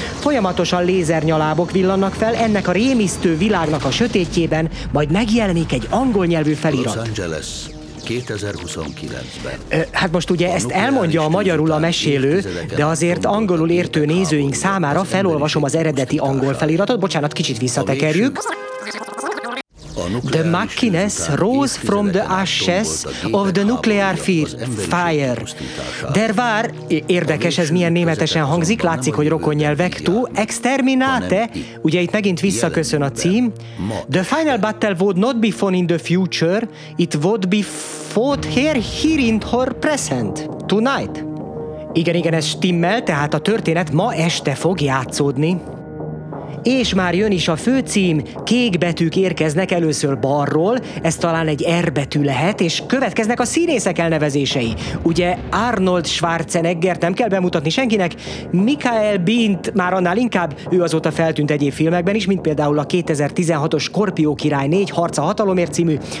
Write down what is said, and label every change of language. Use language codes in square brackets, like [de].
[hu] Folyamatosan lézernyalábok villannak fel ennek a rémisztő világnak a sötétjében, majd megjelenik egy angol nyelvű felirat. Los Angeles, 2029-ben. Hát most ugye ezt elmondja a magyarul a mesélő, de azért angolul értő nézőink számára felolvasom az eredeti angol feliratot. Bocsánat, kicsit visszatekerjük. [en] The Machines rose from the ashes of the nuclear fire. [hu] Der war, érdekes ez milyen németesen hangzik, látszik, hogy rokonnyelvek túl, exterminate, ugye itt megint visszaköszön a cím. [en] The final battle would not be fought in the future, it would be fought here in her present, tonight. [hu] Igen, ez stimmel, tehát a történet ma este fog játszódni. És már jön is a főcím, kék betűk érkeznek először balról, ez talán egy R betű lehet, és következnek a színészek elnevezései. Ugye Arnold Schwarzeneggert nem kell bemutatni senkinek, Michael Bint már annál inkább, ő azóta feltűnt egyéb filmekben is, mint például a 2016-os Skorpió király 4 harca hatalomért című.